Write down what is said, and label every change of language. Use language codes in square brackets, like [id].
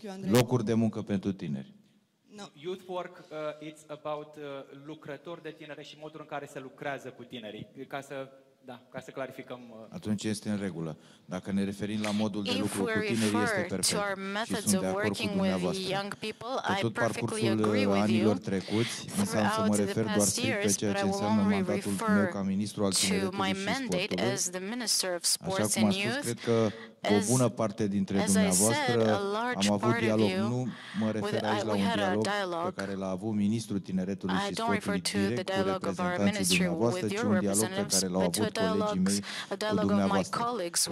[ro] Locuri de muncă pentru tineri. [en] No. Youth work, it's about [ro] lucrători de tineri și modul în care se lucrează cu tinerii. Ca să... Da, ca să clarificăm. Atunci este în regulă. Dacă ne referim la modul de lucru cu tineri, este perfect. [en] To our methods of working with young people, I perfectly agree with you. [ro] Tot parcursul anilor trecuți, doar pe ceea ce înseamnă mandatul meu ca ministru al tineretului și sportului. Așa cum a spus, cred că o bună parte dintre dumneavoastră am avut dialog. Nu mă refer aici la un dialog pe care l-a avut ministrul tineretului și sportului direct cu reprezentanții dumneavoastră, ci un dialog pe care l-au avut colegii mei cu dumneavoastră.